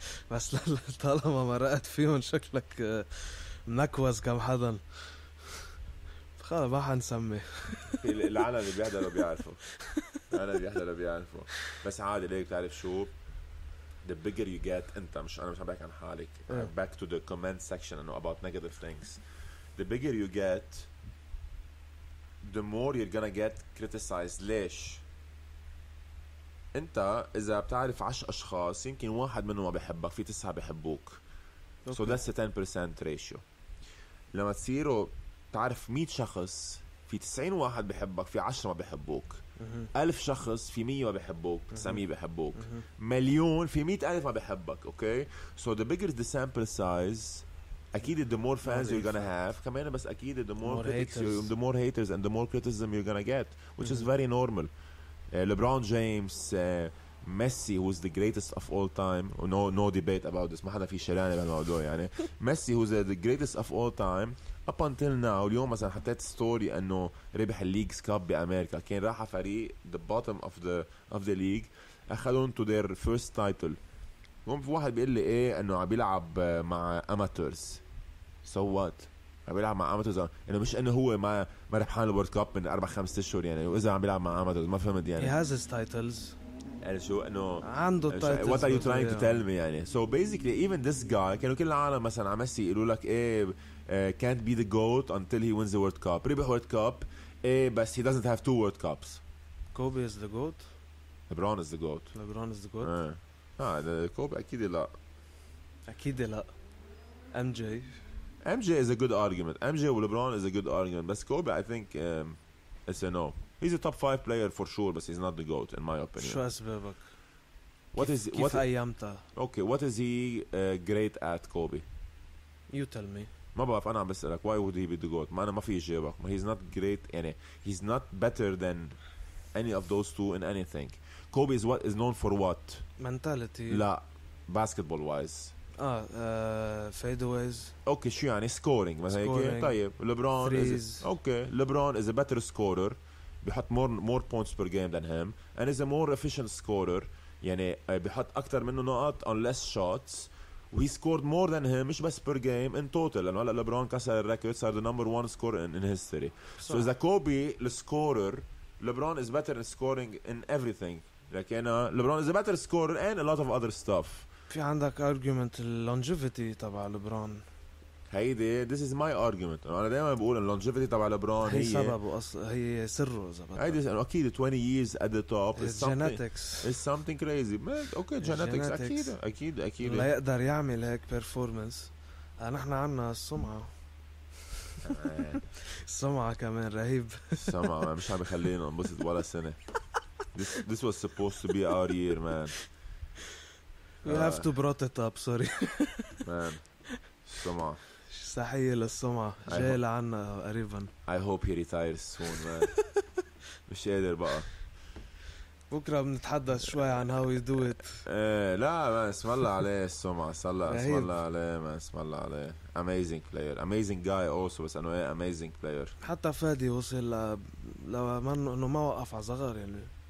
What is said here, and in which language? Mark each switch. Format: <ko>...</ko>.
<ar>بس طالما مرقت فيهم شكلك نكوز كم حدا, خلص ما حنسمي. العالم اللي بيحضروا بيعرفوا, انا اللي بيحضروا بيعرفوا. بس عادي ليك تعرف شو</ar> <en>the bigger you get,</en> <ar>انت مش انا مش عم بحكي عن حالك.</ar> <en>Back to the comment section and about negative things, the bigger you get the more you're gonna get criticized.</en> <ar>ليش؟ انت اذا بتعرف 10 اشخاص يمكن واحد منهم ما بحبك, في 9 بحبوك.</ar> <en>Okay. So that's a 10% ratio.</en> <ar>لما تصيروا تعرف 100 شخص, في 90 واحد بحبك, في 10 ما بحبوك. 1000 شخص, في 100 ما بحبوك, 900 بحبوك. مليون, في 100,000 ما بحبك.</ar> <en>Okay, so the bigger the sample size, اكيد the more fans you gonna have كمان, بس اكيد the more critics, the more haters and the more criticism you gonna get, which is very normal. LeBron James, Messi, who is the greatest of all time. No debate about this.</en> <ar>ما حدا في شلانة بالموضوع يعني.</ar> <en>Messi, who is the greatest of all time. Up until now,</en> <ar>اليوم مثلا حطيت ستوري أنه ربح الليجز كاب بأمريكا. كان راح فريق</ar> <en>the bottom of the league. أخذون to their first title.</en> <ar>هم في واحد بيقول لي إيه, أنه عم بيلعب مع amateurs.</ar> <en>So what?</en> <ar>عم بيلعب مع اماتورز, انه مش انه هو ما ربحان الورد كاب من 4-5 اشهر يعني. واذا عم بيلعب مع اماتورز ما فهمت يعني.</ar> <en>He has his titles.</en> <ar>يعني شو انه عنده titles.</ar> <en>What are you trying to tell me يعني. So basically even this guy,</en> <ar>كانوا كل العالم مثلا عمسي يقولوا لك ايه</ar> <en>can't be the goat until he wins the world cup. ربح world cup ايه, بس he doesn't have two world cups. Kobe is the goat. LeBron is the goat. LeBron is the goat.</en> <ar>Kobe اكيد لا. اكيد لا. MJ.</ar> <en>MJ is a good argument. MJ و LeBron is a good argument. But Kobe, I think, it's a no. He's a top 5 player for sure, but he's not the GOAT, in my opinion.</en> <ar>شو أسبابك؟</ar> <en>What is</en> <ar>كيف أيامته؟</ar> <en>Okay, what is he great at, Kobe? You tell me.</en> <ar>ما بعرف, أنا عم بسألك,</ar> <en>why would he be the GOAT?</en> <ar>ما أنا ما في جوابك.</ar> <en>He's not great, يعني, he's not better than any of those two in anything. Kobe is what is known for what? Mentality.</en> <ar>لا, basketball-wise.</ar> <en>Fadeaways.</en> <ar>Okay, شو يعني scoring؟ ما هيك. طيب LeBron</ar> <en>threes. Is okay. LeBron is a better scorer. بيحط more points per game than him, and is a more efficient scorer.</en> <ar>يعني بيحط أكتر منه نقاط</ar> <en>on less shots و he scored more than him مش بس per game in total</en> <ar>لأنه هلأ لبرون كسر الركورد صار</ar> <en>the number one scorer in history صح. So</en> <ar>إذا كوبي الscorer لبرون</ar> <en>is better at scoring in everything لكن LeBron is a better scorer and a lot of other stuff.</en> <ar>في عندك argument longevity تبع لبرون هيدي</ar> <en>this is my argument</en> <ar>أنا دائما بقول إن longevity تبع لبرون هي سببه هي سره زبط</ar> <en>هيدي أكيد 20 years at the top is genetics is something crazy but okay genetics</en> <ar>أكيد أكيد أكيد لا يقدر يعمل هيك performance نحن عنا السمعة السمعة كمان رهيب السمعة مش عم بخلينا انبسط ولا سنة</ar> <en>this was supposed to be our year man we have to brought it up sorry</en> <ar>man السمعة صحيح للسمعة جاي لعنا قريبا</ar> <en>I hope he retires soon man</en> <ar>مش قادر بقى بكرة بنتحدث شوي عن</ar> <en>how he do it</en> <ar>لا man اسم الله عليه السمعة اسم الله عليه</ar> <en>amazing player amazing guy also</en> <ar>بس انه ايه amazing player حتى فادي وصل لو انه ما وقف على صغر يعني</ar>